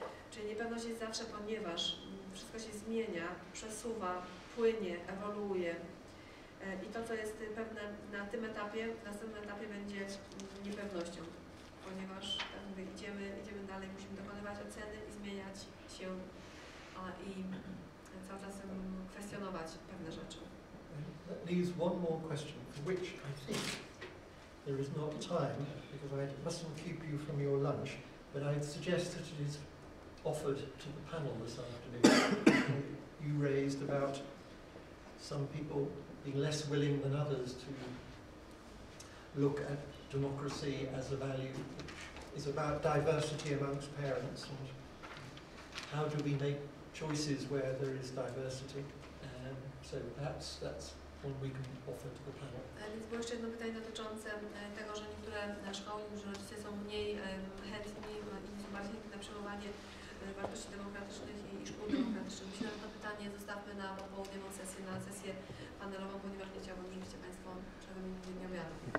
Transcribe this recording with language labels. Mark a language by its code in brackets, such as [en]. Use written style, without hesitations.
[pl] Czyli niepewność jest zawsze, ponieważ wszystko się zmienia, przesuwa, płynie, ewoluuje. I to, co jest pewne na tym etapie, w następnym etapie będzie niepewnością, ponieważ tak mówię, idziemy dalej, musimy dokonywać oceny i zmieniać się i cały czas kwestionować pewne rzeczy. [en] That leaves one more question, for which I think there is not time, because I mustn't keep you from your lunch, but I'd suggest that it is offered to the panel this afternoon. You raised about some people being less willing than others to look at democracy as a value, which is about diversity amongst parents, and how do we make choices where there is diversity. So perhaps that's one we can offer to the panel. [pl] Więc było jeszcze jedno pytanie dotyczące tego, że niektóre szkoły, niektórzy rodzice są mniej chętni i są bardziej chętni na przyjmowanie wartości demokratycznych i szkół demokratycznych. Myślę, że to pytanie zostawmy na popołudniową sesję, na sesję panelową, ponieważ nie chciałabym, żebyście Państwo czego mi nie miały.